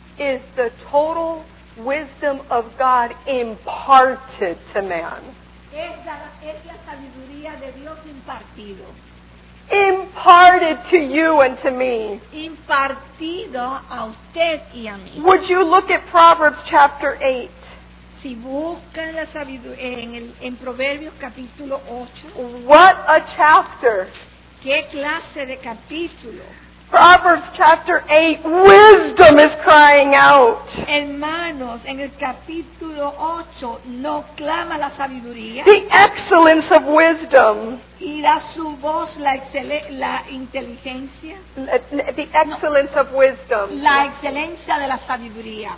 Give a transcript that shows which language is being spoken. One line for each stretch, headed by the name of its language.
English: Is the total wisdom of God imparted to man.
Spanish: Es la sabiduría de Dios impartido.
English: Imparted to you and to me.
Spanish: Impartido a usted y a mí.
English: Would you look at Proverbs chapter 8?
Spanish: Si buscan la sabiduría en Proverbios capítulo 8.
English: What a chapter.
Spanish: ¿Qué clase de capítulo?
English: Proverbs chapter 8, wisdom is crying out.
Spanish: Hermanos, en el capítulo 8 no clama la sabiduría.
English: The excellence of wisdom.
Spanish: Y da su voz la inteligencia.
English: The excellence of wisdom.
Spanish: La excelencia de la sabiduría.